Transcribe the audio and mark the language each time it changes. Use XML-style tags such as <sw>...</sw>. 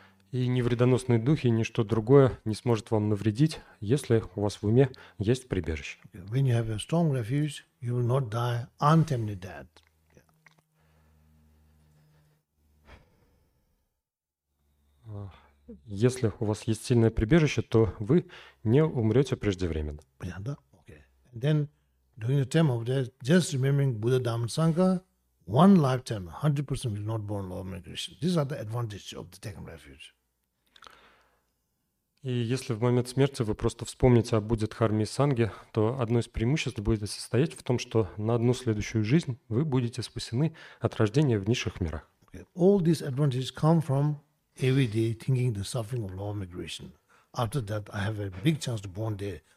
<ru>И ни вредоносные духи, ни что другое не сможет вам навредить, если у вас в уме есть прибежище.</ru> <en>When you have a strong refuge, you will not die untimely death.</en> <ru>Если у вас есть сильное прибежище, то вы не умрете преждевременно. Понятно?</ru> <en>Okay. And then, during the time of death, just remembering Buddha, Dhamma, Sangha, one lifetime, 100% will not born Lord Krishna. These are the advantages of the taking refuge.</en> <ru>И если в момент смерти вы просто вспомните о Будде, Дхарме и Санге, то одно из преимуществ будет состоять в том, что на одну следующую жизнь вы будете спасены от рождения в низших мирах.</ru> <en>All these advantages come from everyday thinking the suffering of lower migration. After that, I have a big chance to born there.</en>